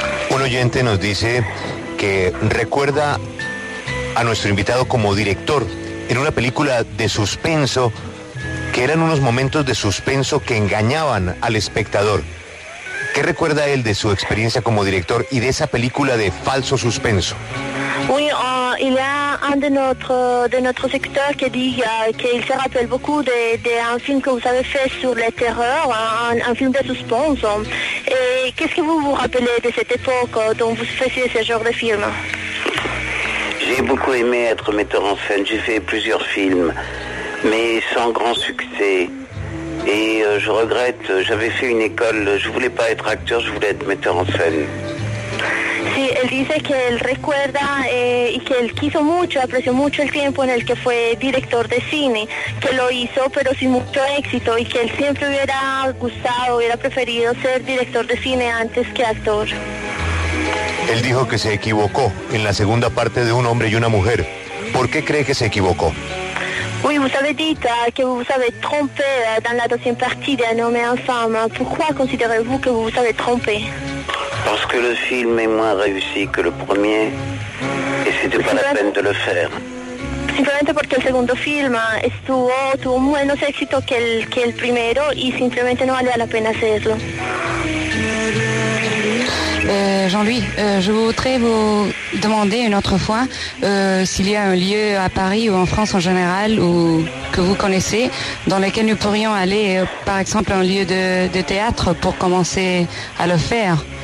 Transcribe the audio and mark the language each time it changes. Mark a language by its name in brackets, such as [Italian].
[Spanish] Un oyente nos dice que recuerda a nuestro invitado como director en una película de suspenso, que eran unos momentos de suspenso que engañaban al espectador. ¿Qué recuerda él de su experiencia como director y de esa película de falso suspenso? [French] Oui, il y a un de notre secteur qui dit qu'il se rappelle beaucoup d'un film que vous avez fait sur les terreurs, un film de suspense. Et qu'est-ce que vous vous rappelez de cette époque dont vous faisiez ce genre de film? J'ai beaucoup aimé être metteur en scène. J'ai fait plusieurs films, mais sans grand succès. Et je regrette, j'avais fait une école, je voulais pas être acteur, je voulais être metteur en scène. [Spanish] Sí, él dice que él recuerda y que él quiso mucho, apreció mucho el tiempo en el que fue director de cine, que lo hizo pero sin mucho éxito, y que él siempre hubiera gustado, hubiera preferido ser director de cine antes que actor. Él dijo que se equivocó en la segunda parte de Un hombre y una mujer. ¿Por qué cree que se equivocó? [French] Oui, vous avez dit que vous vous avez trompé dans la deuxième partie d'Un homme et une femme. Pourquoi considérez-vous que vous vous avez trompé? Parce que le film est moins réussi que le premier, et c'était pas la peine de le faire. [Spanish] Simplemente porque el segundo film tuvo menos éxito que el primero, y simplemente no valía la pena hacerlo. [French] Jean-Louis, je voudrais vous demander une autre fois s'il y a un lieu à Paris ou en France en général ou que vous connaissez dans lequel nous pourrions aller, par exemple un lieu de théâtre pour commencer à le faire.